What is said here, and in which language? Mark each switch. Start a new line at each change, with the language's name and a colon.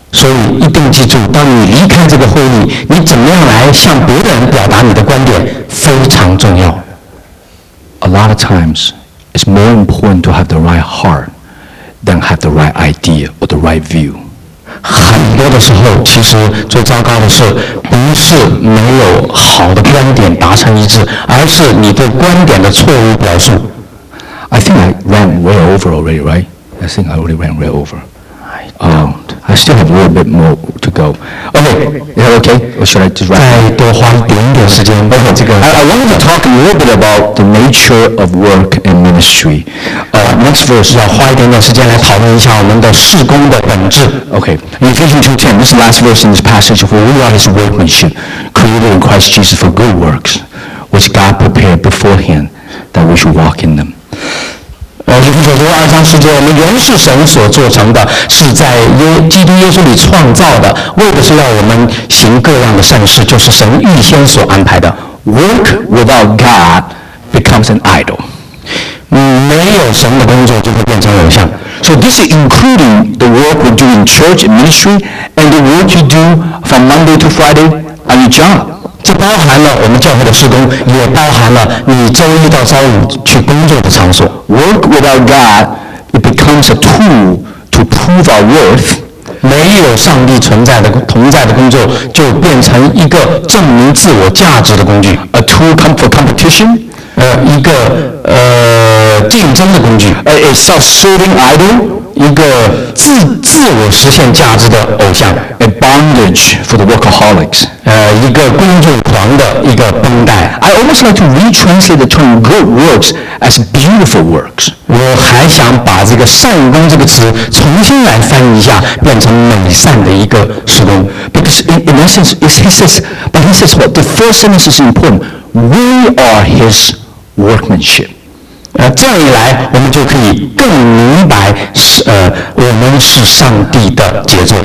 Chinese: 所以一定记住，当你离开这个会议，你怎么样来向别人表达你的观点非常重要。
English: A lot of times, it's more important to have the right heart than have the right idea or the right view.
Chinese: 很多的时候其实最糟糕的是不是没有好的观点达成一致而是你对观点的错误表述
English: I think I ran way over already, right? I think I already ran way over. I don't. I I still have a little bit more to go. Okay, is that okay? Or should I just wrap up?
Chinese: 再多花一点点时间。
English: Okay, I wanted to talk a little bit about the nature of work and ministry. Next verse.
Chinese: 要花一点点时间来讨论一下我们的事工的本质。
English: Okay, Ephesians 2:10, this is the last verse in this passage. For we are his workmanship, created in Christ Jesus for good works, which God prepared beforehand that we should walk in them.
Chinese: 以弗所书二章十节，我们原是神所做成的，是在基督耶稣里创造的，为的是要我们行各样的善事，就是神预先所安排的。
English: Work without God becomes an idol.
Chinese: 没有神的工作就会变成偶像。
English: So this is including the work we do in church and ministry, and the work you do from Monday to Friday on your job.
Chinese: 这包含了我们教会的施工，也包含了你周一到周五去工作的场所。
English: Work without God, it becomes a tool to prove our worth.
Chinese: 没有上帝存在的同在的工作，就变成一个证明自我价值的工具。
English: A tool come for competition,
Chinese: 一个竞争的工具。
English: A self-serving idol,
Chinese: 一个自我实现价值的偶像。
English: A bondage for the workaholics.
Chinese: 一个工作狂的一个绷带。
English: I almost like to retranslate the term good works as beautiful works.
Chinese: 我还想把这个善工这个词重新来翻译一下，变成美善的一个施工。
English: Because in essence, he says, well, the first sentence is important. We are his workmanship.
Chinese: 这样一来，我们就可以更明白我们是上帝的杰作。